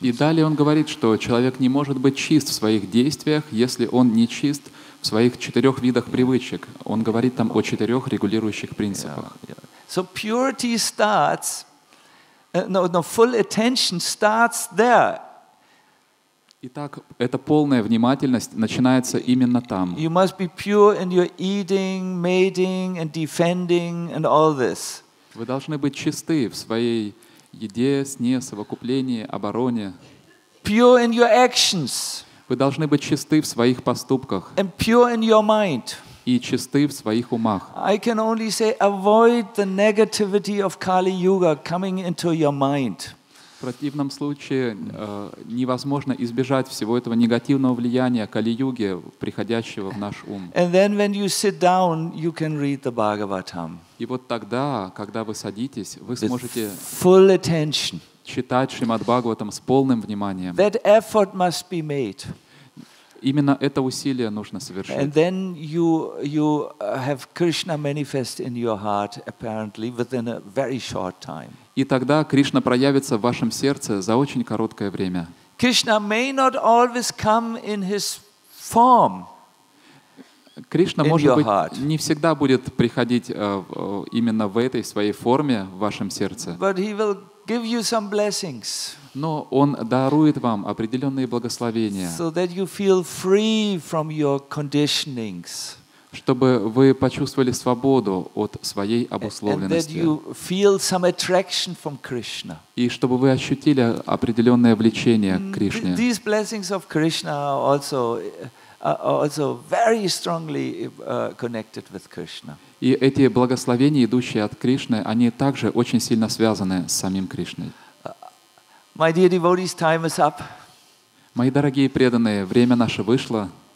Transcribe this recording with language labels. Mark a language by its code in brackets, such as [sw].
[ru] И далее он говорит, что человек не может быть чист в своих действиях, если он не чист в своих четырех видах привычек. Он говорит там о четырех регулирующих принципах. [en] So purity starts, full attention starts there. [ru] Итак, эта полная внимательность начинается именно там. [en] You must be pure in your eating, mating, and defending, and all this. [ru] Вы должны быть чисты в своей еде, сне, совокуплении, обороне. [en] Pure in your actions. [ru] Вы должны быть чисты в своих поступках. [en] And pure in your mind. [ru] И чисты в своих умах. [en] I can only say, avoid the negativity of Kali Yuga coming into your mind. [ru] В противном случае невозможно избежать всего этого негативного влияния Кали-юги, приходящего в наш ум. [en] And then when you sit down, you can read the Bhagavatam. [ru] И вот тогда, когда вы садитесь, вы сможете [en] full attention. [ru] Читать Шримад Бхагаватам с полным вниманием. [en] That effort must be made. [ru] Именно это усилие нужно совершить. [en] And then you have Krishna manifest in your heart, apparently, within a very short time. [ru] И тогда Кришна проявится в вашем сердце за очень короткое время. [en] Krishna may not always come in his form. [ru] Кришна, может быть, не всегда будет приходить именно в этой своей форме в вашем сердце. [en] But he will give you some blessings. [ru] Но Он дарует вам определенные благословения. [en] So that you feel free from your conditionings. [ru] Чтобы вы почувствовали свободу от своей обусловленности. И чтобы вы ощутили определенное влечение к Кришне. [en] These blessings of Krishna are also very strongly connected with Krishna. [ru] И эти благословения, идущие от Кришны, они также очень сильно связаны с самим Кришной. [en] My dear devotees, time is up. [ru] Мои дорогие преданные, время наше вышло.